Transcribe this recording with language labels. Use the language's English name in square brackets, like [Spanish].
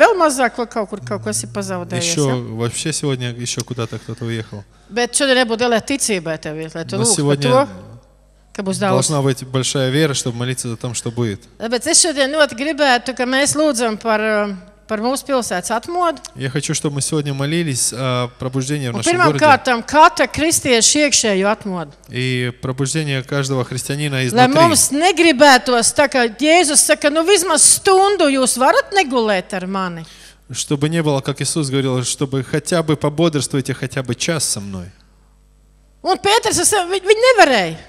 [Latvian] Vēl mazāk, vēl kaut kas ir pazaudējies. [Russian] Еще, ja? Вообще сегодня еще куда-то кто-то уехал. [Latvian] Bet šodien nebūtu lielā ticībā tev, lai tu lūgtu par to. [Russian] Должна быть большая вера, чтобы молиться о том, что будет. [Latvian] Bet es šodien ļoti gribētu, ka mēs lūdzam par mūsu pilsētas atmodu. [Russian] Я хочу, чтобы мы сегодня молились о пробуждении в нашем городе. [Latvian] Pirmām kārtām, katra kristieša iekšējo atmodu. [Russian] И пробуждение каждого христианина изнутри. [Latvian] Lai mums negribētos, tā kā Jēzus saka, nu vismaz stundu jūs varat negulēt ar mani. [Russian] Чтобы не было, как Иисус говорил, чтобы хотя бы пободрствуйте хотя бы час со мной. [Latvian] Un Pēters, viņi nevarēja.